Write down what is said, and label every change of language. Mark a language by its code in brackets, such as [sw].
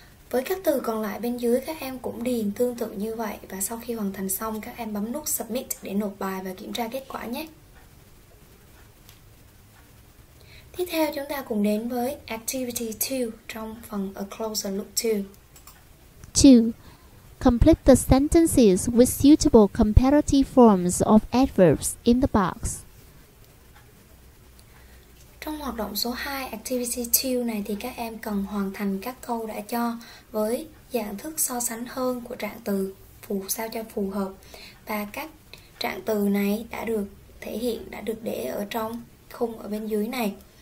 [vi] Với các từ còn lại bên dưới các em cũng điền tương tự như vậy và sau khi hoàn thành xong các em bấm nút submit để nộp bài và kiểm tra kết quả nhé. Tiếp theo chúng ta cùng đến với activity 2 trong phần a closer look 2. [en] 2. Complete the sentences with suitable comparative forms of adverbs in the box. [vi] Trong hoạt động số 2, activity 2 này thì các em cần hoàn thành các câu đã cho với dạng thức so sánh hơn của trạng từ phù sao cho phù hợp. Và các trạng từ này đã được thể hiện, đã được để ở trong khung ở bên dưới này.